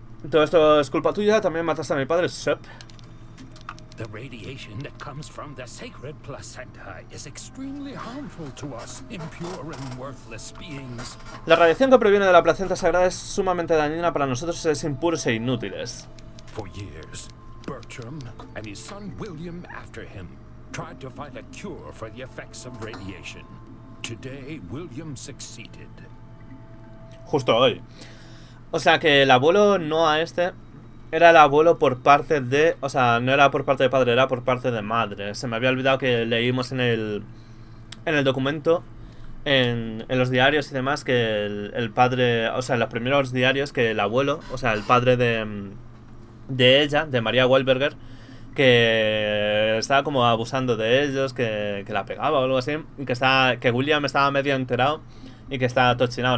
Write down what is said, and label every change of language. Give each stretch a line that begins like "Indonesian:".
Spanish: Todo esto es culpa tuya, también mataste a mi padre, Sup.
English: The radiation that comes from the sacred placenta is extremely harmful to us, impure and worthless beings.
Spanish: La radiación que proviene de la placenta sagrada es sumamente dañina para nosotros seres impuros e inútiles.
English: For years. Bertram and his son William after him tried to find a cure for the effects of radiation. Today William succeeded.
Spanish: Justo hoy. O sea que el abuelo Noah este era el abuelo por parte de, o sea, no era por parte de padre, era por parte de madre. Se me había olvidado que leímos en el documento en los diarios y demás que el padre, o sea, en los primeros diarios que el abuelo, o sea, el padre de ella, de María Wahlberger, que estaba como abusando de ellos, que la pegaba o algo así, y que estaba, que William estaba medio enterado y que estaba tochinado.